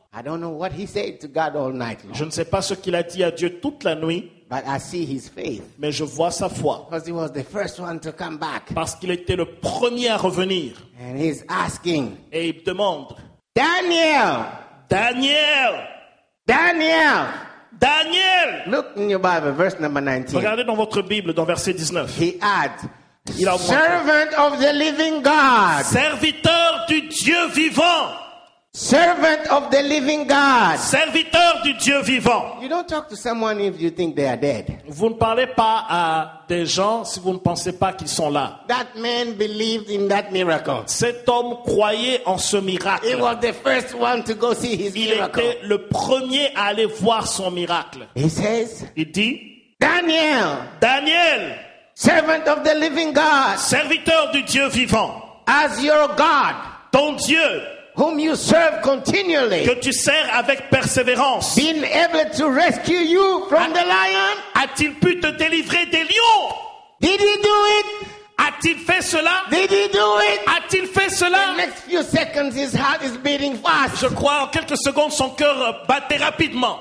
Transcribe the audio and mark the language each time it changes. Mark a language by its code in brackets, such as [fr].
[en] I don't know what he said to God all night long. [fr] Je ne sais pas ce qu'il a dit à Dieu toute la nuit. [en] But I see his faith. [fr] Mais je vois sa foi. [en] Because he was the first one to come back. [fr] Parce qu'il était le premier à revenir. [en] And he's asking. [fr] Et il demande. [en] Daniel. [fr] Daniel. [en] Daniel. [fr] Daniel. [en] Look in your Bible, verse number 19. [fr] Regardez dans votre Bible, dans verset 19. [en] He had servant of the living God. [fr] Serviteur du Dieu vivant. [en] Servant of the living God. [fr] Serviteur du Dieu vivant. [en] You don't talk to someone if you think they are dead. [fr] Vous ne parlez pas à des gens si vous ne pensez pas qu'ils sont là. [en] That man believed in that miracle. [fr] Cet homme croyait en ce miracle. [en] He was the first one to go see his [fr] Il [en] miracle. [fr] Était le premier à aller voir son miracle. [en] He says, [fr] Il dit, [en] Daniel. [fr] Daniel. [en] Servant of the living God. [fr] Serviteur du Dieu vivant. [en] As your God. [fr] Ton Dieu. [en] Whom you serve continually. [fr] Que tu sers avec persévérance. [en] Being able to rescue you from the lion. [fr] A-t-il pu te délivrer des lions? [en] Did he do it? [fr] A-t-il fait cela? [en] Did he do it? [fr] A-t-il fait cela? [en] The next few seconds his heart is beating fast. [fr] Je crois en quelques secondes son cœur battait rapidement.